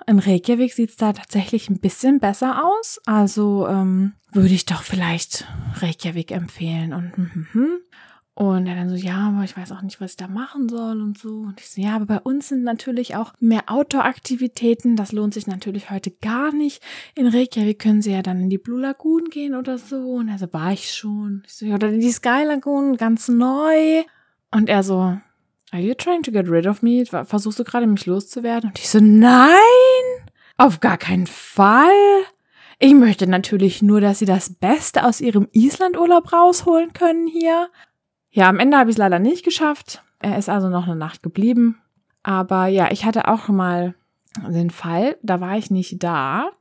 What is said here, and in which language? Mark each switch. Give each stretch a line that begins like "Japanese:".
German: In Reykjavik sieht es da tatsächlich ein bisschen besser aus, also würde ich doch vielleicht Reykjavik empfehlen und Und er dann so, ja, aber ich weiß auch nicht, was ich da machen soll und so. Und ich so, ja, aber bei uns sind natürlich auch mehr Outdoor-Aktivitäten. Das lohnt sich natürlich heute gar nicht. In Reykjavik können sie ja dann in die Blue Lagoon gehen oder so. Und er so, war ich schon. Ich so, ja, oder in die Sky Lagoon, ganz neu. Und er so,
English: are you trying to get rid of me?
German: Versuchst du gerade, mich loszuwerden? Und ich so, nein, auf gar keinen Fall. Ich möchte natürlich nur, dass sie das Beste aus ihrem Islandurlaub rausholen können hier. Ja, am Ende habe ich es leider nicht geschafft. Er ist also noch eine Nacht geblieben. Aber ja, ich hatte auch mal den Fall, da war ich nicht da.